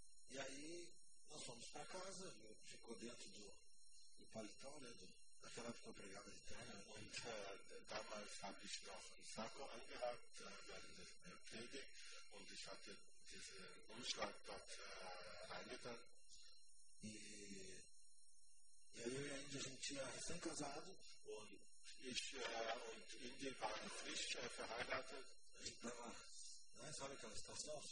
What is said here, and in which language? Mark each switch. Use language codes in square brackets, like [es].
[pt] E aí, nós fomos para casa, ficou dentro do paletó, né, daquela época eu pregava de terno. [de] Und damals habe ich noch einen Sacko angehabt, während der Predigt, und ich hatte diesen Umschlag dort reingetan. [pt] E aí eu e a Indy, a gente tinha recém-casado. [de] Und ich und Indy waren frisch verheiratet. [pt] Não é, sabe aquela situação?